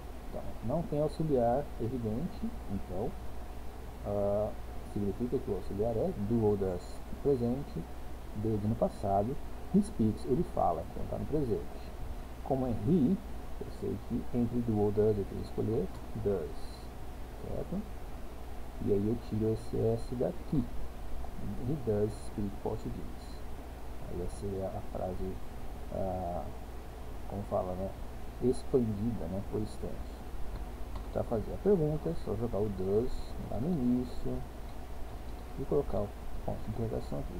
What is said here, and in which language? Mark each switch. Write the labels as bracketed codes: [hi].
[pt] Então, não tem auxiliar evidente, então significa que o auxiliar é do ou das presente, desde no passado. [en] He speaks, [pt] ele fala, então está no presente. Como é he, eu sei que entre do ou das eu tenho que escolher does, certo? E aí eu tiro esse S daqui. [en] He does speak Portuguese. [pt] Aí essa é a frase, como fala, né? Expandida, né? Por extenso. Para fazer a pergunta, é só jogar o does lá no início e colocar o ponto de interrogação aqui.